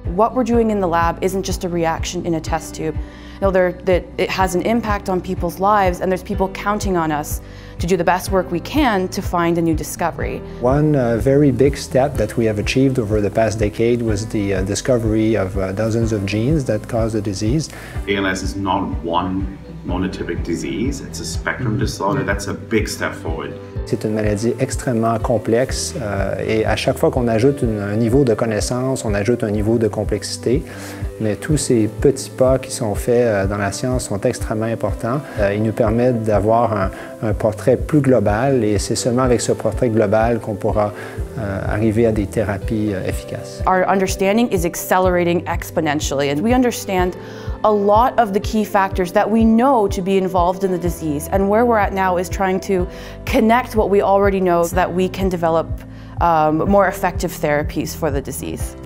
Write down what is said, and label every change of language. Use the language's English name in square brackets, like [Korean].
[English] What we're doing in the lab isn't just a reaction in a test tube. No, that it has an impact on people's lives, and there's people counting on us to do the best work we can to find a new discovery. One very big step that we have achieved over the past decade was the discovery of dozens of genes that cause the disease. ALS is not one monotypic disease, it's a spectrum disorder. That's a big step forward. [French] C'est une maladie extrêmement complexe et à chaque fois qu'on ajoute un niveau de connaissance, on ajoute un niveau de complexité. Mais tous ces petits pas qui sont faits dans la science sont extrêmement importants. Ils nous permettent d'avoir un portrait plus global et c'est seulement avec ce portrait global qu'on pourra arriver à des thérapies efficaces. [English] Our understanding is accelerating exponentially and we understand a lot of the key factors that we know to be involved in the disease, and where we're at now is trying to connect what we already know so that we can develop more effective therapies for the disease.